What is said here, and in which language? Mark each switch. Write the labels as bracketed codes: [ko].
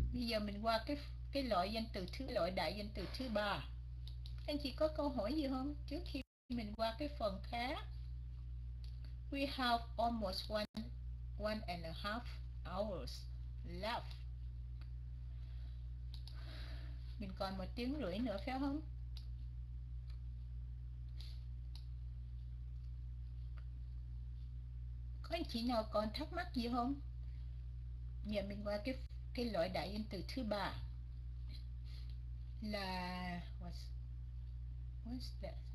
[vi] Bây giờ mình qua cái loại danh từ thứ loại đại danh từ thứ ba. Anh chị có câu hỏi gì không trước khi mình qua cái phần khác? [en] We have almost one and a half hours left. [vi] Mình còn 1 tiếng rưỡi nữa phải không? Có anh chị nào còn thắc mắc gì không? Giờ mình qua cái loại đại danh từ thứ ba là [en] what's that?